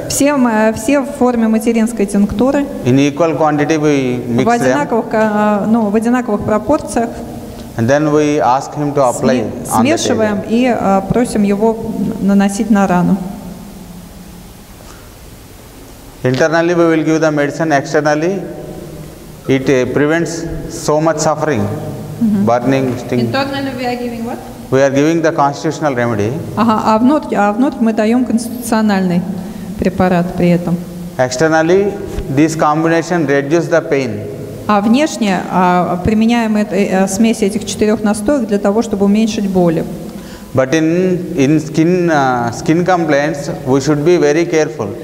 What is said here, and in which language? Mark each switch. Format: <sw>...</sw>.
<ru>Все в форме материнской тинктуры.</ru> <en>In equal quantity we mix them.</en> <ru>В одинаковых пропорциях.</ru> <en>And then we ask him to apply.</en> <ru>Смешиваем и просим его наносить на рану.</ru> <en>Internally we will give the medicine. Externally, it prevents so much suffering, burning, sting. Internally we are giving what? We are giving the constitutional remedy.</en> <ru>А внутрь мы даем конституциональный препарат при этом.</ru> <en>Externally, this combination reduces the pain.</en> <ru>А внешне применяем смесь этих четырех настоек для того, чтобы уменьшить боли.</ru> <en>But in skin complaints, we should be very careful.</en>